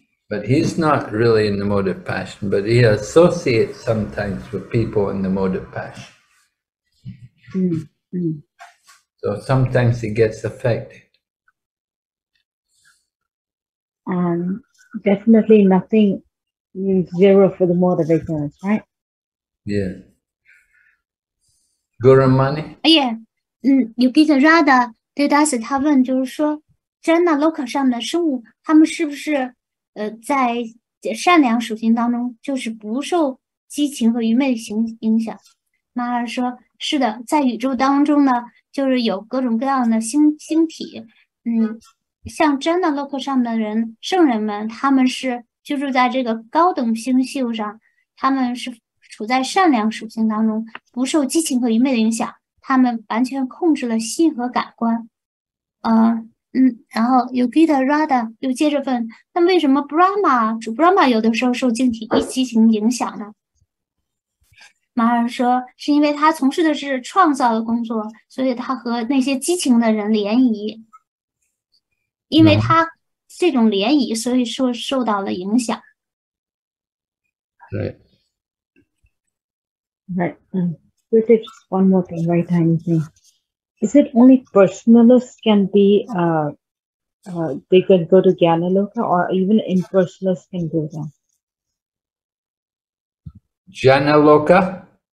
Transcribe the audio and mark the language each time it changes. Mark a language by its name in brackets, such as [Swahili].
[English] But he's not really in the mode of passion, but he associates sometimes with people in the mode of passion. Mm-hmm. So sometimes he gets affected. And definitely nothing, zero for the mode of ignorance, right? Yeah. Guru Mani? Yeah. [Chinese] Yukita Radha, Dadasi, 他问就是说 Jnana Loka 上的生物他们是不是在善良属性当中就是不受激情和愚昧的影响。妈妈说是的，在宇宙当中呢就是有各种各样的星体。像真的 Loka 上的人圣人们，他们是居住在这个高等星宿上，他们是处在善良属性当中，不受激情和愚昧的影响，他们完全控制了心和感官。然后 Yogita Radha 又接着问，那为什么 Brahma 主 Brahma 有的时候受激情影响呢？马尔说是因为他从事的是创造的工作，所以他和那些激情的人联谊，因为他这种涟漪，所以受到了影响。 [English] Right. Right. Just one more thing, very tiny thing. Is it only personalists can be, they can go to Jnana Loka, or even impersonalists can go there? Jnana Loka?